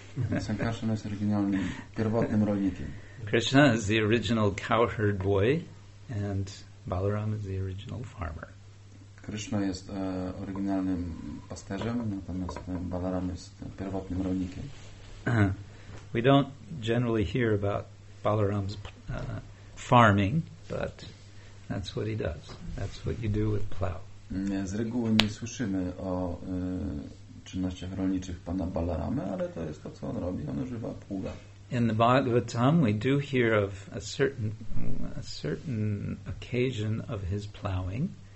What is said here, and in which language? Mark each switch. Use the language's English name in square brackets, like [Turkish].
[Polish] Sankarsana jest oryginalnym, pierwotnym rolnikiem. [English] Krishna is the original cowherd boy, and Balaram is the original farmer. [Polish] Krishna jest oryginalnym pasterzem, natomiast Balaram jest pierwotnym rolnikiem. [English] We don't generally hear about Balaram's farming, but that's what he does. That's what you do with plow. [Polish] Z reguły nie słyszymy o czynnościach rolniczych pana Balarama, ale to jest to, co on robi. On używa pługa. [English] In the Bhagavatam, we do hear of a certain occasion of his plowing.